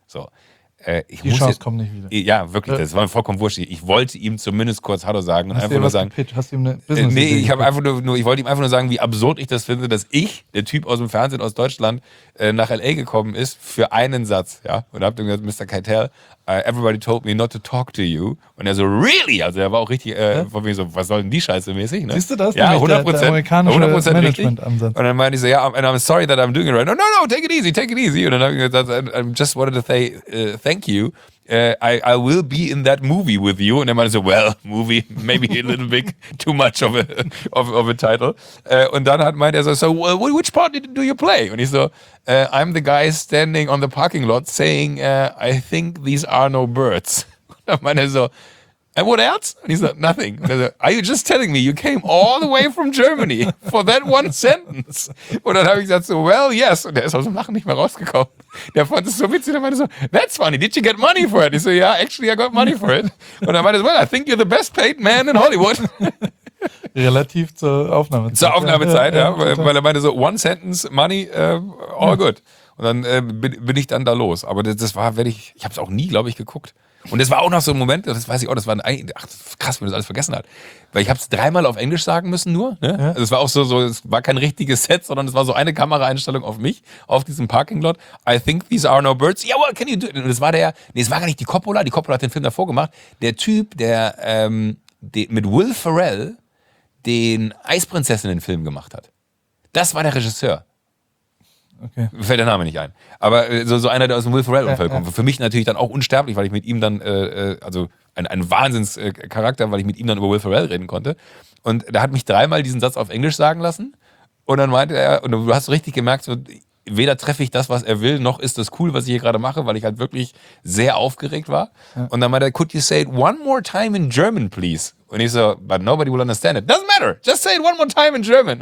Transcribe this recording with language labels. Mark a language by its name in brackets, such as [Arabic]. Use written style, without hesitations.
[German] So. Die Chance jetzt, kommt nicht wieder. Ja, wirklich, das war mir vollkommen wurscht. Ich wollte ihm zumindest kurz Hallo sagen. Hast und einfach dir nur sagen, gepitcht? Hast du ihm eine Business-Idee? Nee, ich habe einfach nur, ich wollte ihm einfach nur sagen, wie absurd ich das finde, dass ich, der Typ aus dem Fernsehen aus Deutschland, nach L.A. gekommen ist für einen Satz. Ja? Und hab dann gesagt, Mr. [English] Keitel, everybody told me not to talk to you. [German] Und er so, [English] really? [German] Also er war auch richtig von mir so, was soll denn die Scheiße mäßig? Ne? Siehst du das? Ja, 100%. Der amerikanische 100% Management-Ansatz. Und dann meinte ich so, ja, [English] yeah, I'm sorry that I'm doing it right. No, take it easy. [German] Und dann habe ich gesagt, [English] I just wanted to say thank you. I will be in that movie with you. [German] Und er meinte so, [English] well, movie, maybe a little bit too much of a title. [German] Und dann meinte er so, [English] so which part do you play? [German] Und ich so, [English] I'm the guy standing on the parking lot saying, I think these are no birds. [German] Und dann meinte er so, [English] and what else? [German] Und ich so, [English] nothing. [German] Und er so, [English] are you just telling me you came all the way from Germany for that one sentence? [German] Und dann habe ich gesagt so, [English] well, yes. [German] Und er ist aus dem Lachen nicht mehr rausgekommen. Der fand es so witzig. Der meinte so, [English] that's funny. Did you get money for it? [German] Ich so, [English] yeah, actually, I got money for it. [German] Und er meinte so, [English] well, I think you're the best paid man in Hollywood. [German] Relativ zur Aufnahmezeit. Zur Aufnahmezeit, ja. Weil er meinte so, [English] one sentence, money, all good. [German] Und dann bin ich dann da los. Aber das war, wenn ich habe es auch nie, glaube ich, geguckt. Und das war auch noch so ein Moment, das weiß ich auch, das war ein, ach, krass, wenn man das alles vergessen hat. Weil ich habe es dreimal auf Englisch sagen müssen nur. Ne? Ja. Also es war auch so, es war kein richtiges Set, sondern es war so eine Kameraeinstellung auf mich, auf diesem Parking-Lot. [English] I think these are no birds. Yeah, what can you do? [German] Und das war der, nee, es war gar nicht die Coppola. Die Coppola hat den Film davor gemacht. Der Typ, der mit Will Ferrell den Eisprinzessinnen-Film gemacht hat. Das war der Regisseur. Okay. Fällt der Name nicht ein. Aber so einer, der aus dem Will Ferrell-Umfeld kommt. Für mich natürlich dann auch unsterblich, weil ich mit ihm dann, also ein Wahnsinnscharakter, weil ich mit ihm dann über Will Ferrell reden konnte. Und der hat mich dreimal diesen Satz auf Englisch sagen lassen. Und dann meinte er, und du hast richtig gemerkt, so, weder treffe ich das, was er will, noch ist das cool, was ich hier gerade mache, weil ich halt wirklich sehr aufgeregt war. Ja. Und dann meinte er, [English] could you say it one more time in German, please? [German] Und ich so, [English] but nobody will understand it. Doesn't matter, just say it one more time in German.